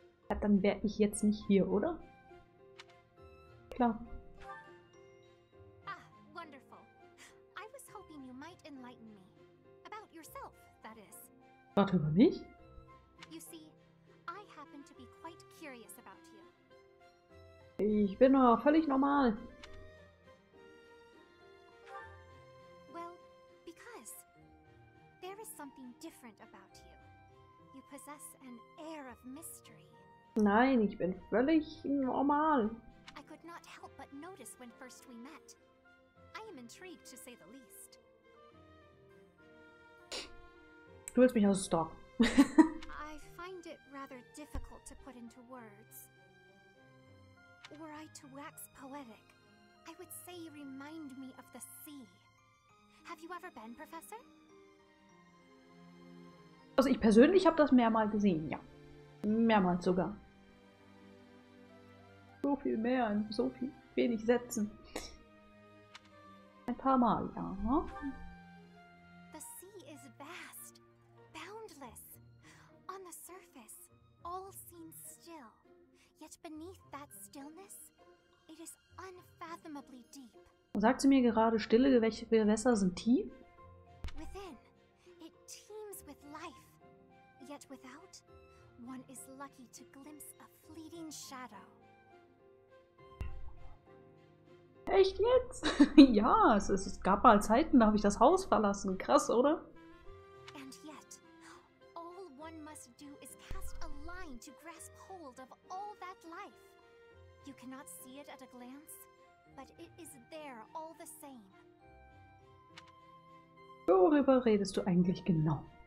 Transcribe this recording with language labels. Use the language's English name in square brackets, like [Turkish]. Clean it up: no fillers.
[German] Ja, dann wäre ich jetzt nicht hier, oder? Klar. [English] Ah, wonderful. I was hoping you might enlighten me. About yourself, that is. [German] Warte, über mich? [English] You see, I happen to be quite curious about. [German] Ich bin doch völlig normal. [English] Well, because there is something different about you. You possess an air of mystery. [German] Nein, ich bin völlig normal. [English] I could not help but notice when first we met. I am intrigued to say the least. [German] Du willst mich also stalken. [English] I find it rather difficult to put into words. Were I to wax poetic, I would say you remind me of the sea. Have you ever been, Professor? [German] Also ich persönlich habe das mehrmals gesehen, ja. Mehrmals sogar. So viel mehr in so viel wenig Sätzen. Ein paar Mal, ja. [English] The sea is vast, boundless. On the surface, all seems still. Yet beneath that stillness, it is unfathomably deep. [German] Sagt sie mir gerade, stille Gewässer sind tief? [English] Within, it teems with life. Yet without, one is lucky to glimpse a fleeting shadow. [German] Echt jetzt? Ja, es gab mal Zeiten, da habe ich das Haus verlassen. Krass, oder? [English] And yet, all one must do is cast a line to grasp hold of all. Life. You cannot see it at a glance, but it is there all the same. [German] Worüber redest du eigentlich genau?